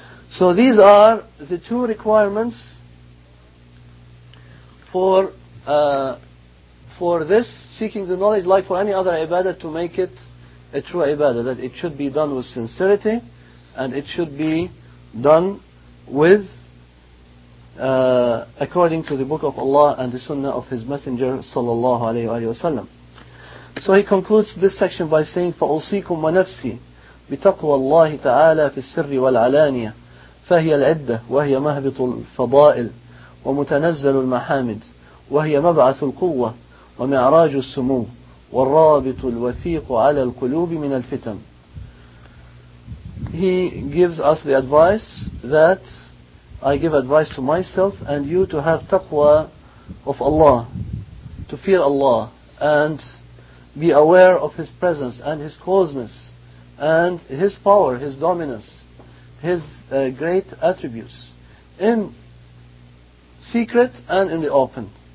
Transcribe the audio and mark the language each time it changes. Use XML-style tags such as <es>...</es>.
<en>So these are the two requirements for this, seeking the knowledge, like for any other ibadah, to make it a true ibadah, that it should be done with sincerity and it should be done with according to the book of Allah and the sunnah of His Messenger sallallahu alayhi wa sallam. So he concludes this section by saying,</en> <ar>فَأُوصِيكُمْ وَنَفْسِي بِتَقْوَى اللَّهِ تَعَالَى فِي السِّرِّ وَالْعَلَانِيَةِ فهي العدة وهي مهبط الفضائل ومتنزل المحامد وهي مبعث القوة ومعراج السمو والرابط الوثيق على القلوب من الفتن.</ar> <en>He gives us the advice that I give advice to myself and you to have taqwa of Allah, to fear Allah and be aware of His presence and His causeness and His power, His dominance, His great attributes in secret and in the open.</en>